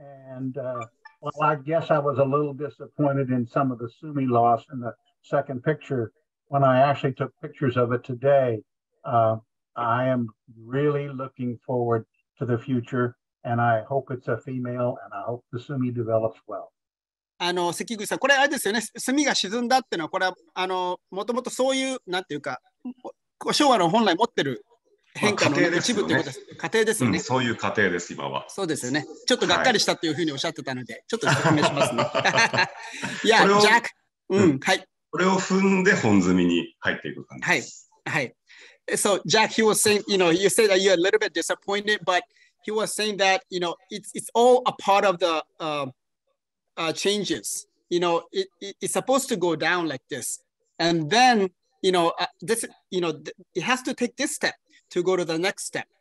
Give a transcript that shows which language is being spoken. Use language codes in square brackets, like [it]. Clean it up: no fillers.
[en] And well, I guess I was a little disappointed in some of the sumi loss in the second picture when I actually took pictures of it today. I am really looking forward to the future, and I hope it's a female, and I hope the sumi develops well. [ja] Sekiguchi さん、これあれですよね、墨が沈んだっていうのは、これはもともとそういう、なんていうか、昭和の本来持ってる変化の一部ということです。過程ですよね。そういう過程です、今は。そうですよね。ちょっとがっかりしたっていうふうにおっしゃってたので、はい、ちょっと説明しますね。いや、ジャック、うん、はい。これを踏んで本墨に入っていく感じです。はい。 [en] はい、So Jack, he was saying, you know, you said that you're a little bit disappointed, but he was saying that, you know, it's all a part of the changes. You know, it's supposed to go down like this. And then, you know, it has to take this step to go to the next step.